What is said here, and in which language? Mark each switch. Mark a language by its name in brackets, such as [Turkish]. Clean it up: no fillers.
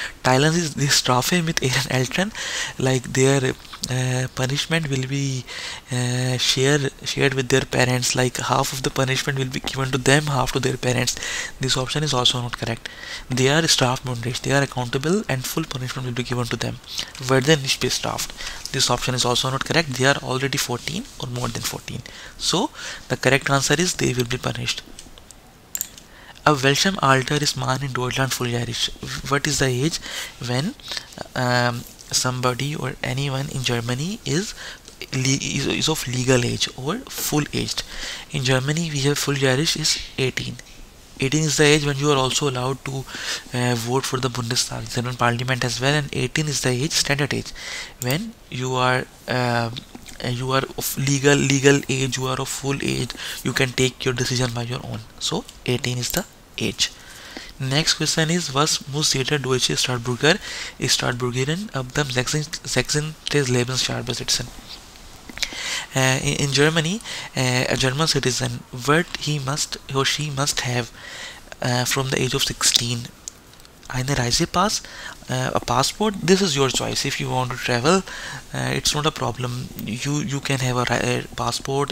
[German] Teilen sie die Strafe mit ihren Eltern, [English] like their punishment will be shared with their parents, like half of the punishment will be given to them, half to their parents. This option is also not correct. They are strafmündig, they are accountable, and full punishment will be given to them. [German] Werden nicht bestraft, [English] this option is also not correct. They are already 14 or more than 14. So the correct answer is they will be punished. [German] Ab welchem Alter ist man in Deutschland volljährig? [English] What is the age when somebody or anyone in Germany is of legal age or full aged? In Germany, we have volljährig is 18. 18 is the age when you are also allowed to vote for the Bundestag, German Parliament as well. And 18 is the age, standard age, when you are of legal age, you are of full age, you can take your decision by your own. So 18 is the age. Next question is, [German] was muss jeder deutsche Staatsbürger, Staatsbürgerin ab dem 16. Lebensjahr besitzen? [English] In Germany, a German citizen, what he must, he or she must have from the age of 16? [German] Eine Reisepass, [English] a passport, this is your choice. If you want to travel, it's not a problem. You can have a passport.